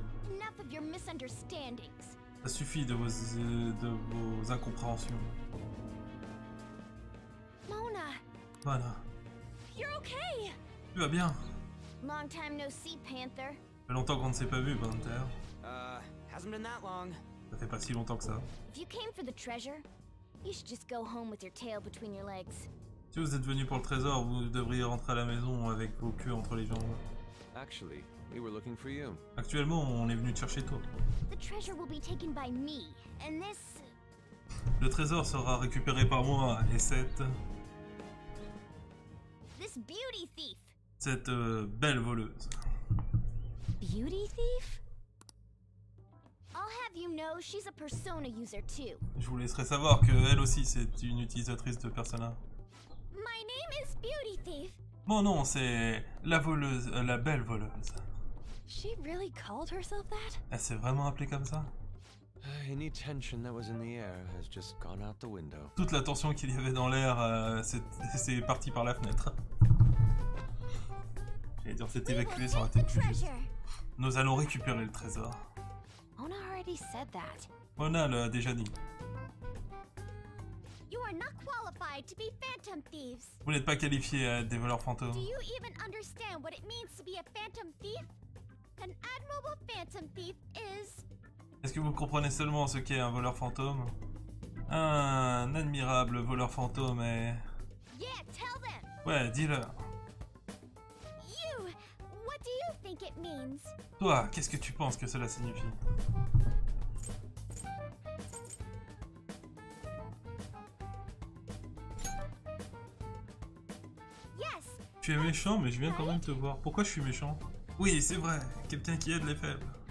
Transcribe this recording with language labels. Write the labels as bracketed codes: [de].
[en] Enough of your misunderstandings. [fr] Ça suffit de vos incompréhensions. [en] Mona. [fr] Mona. [en] You're okay. [fr] Tu vas bien. [en] Long time no see, Panther. [fr] Ça fait longtemps qu'on ne s'est pas vu, Panther. [en] Hasn't been that long. [fr] Ça fait pas si longtemps que ça. [en] If you came for the treasure, you should just go home with your tail between your legs. [fr] Si vous êtes venu pour le trésor, vous devriez rentrer à la maison avec vos queues entre les jambes. [en] Actually. We were looking for you. [fr] Actuellement, on est venu te chercher toi. [en] The treasure will be taken by me, and this... [fr] Le trésor sera récupéré par moi, et cette... [en] This beauty thief. [fr] Cette belle voleuse. [en] Beauty thief? I'll have you know she's a persona user too. [fr] Je vous laisserai savoir qu'elle aussi, c'est une utilisatrice de Persona. [en] My name is Beauty Thief. [fr] Mon nom, c'est la voleuse, la belle voleuse. [en] She really called herself that? [fr] Elle s'est vraiment appelée comme ça? [en] Any tension that was in the air has just gone out the window. [fr] Toute la tension qu'il y avait dans l'air, c'est parti par la fenêtre. J'allais dire, c'est évacué sur la tête du juste. Nous allons récupérer le trésor. [en] Mona already said that. [fr] Mona l'a déjà dit. [en] You are not qualified to be phantom thieves. [fr] Vous n'êtes pas qualifié à être des voleurs fantômes. [en] Do you even understand what it means to be a phantom thief? An admirable phantom thief is... [fr] Est-ce que vous comprenez seulement ce qu'est un voleur fantôme? Un admirable voleur fantôme est... [en] Yeah, tell them. [fr] Ouais, dis-leur. [en] You, what do you think it means? [fr] Toi, qu'est-ce que tu penses que cela signifie? [en] Yes. [fr] Tu es méchant, mais je viens quand même te voir. Pourquoi je suis méchant? Oui, c'est vrai, quelqu'un qui aide les faibles.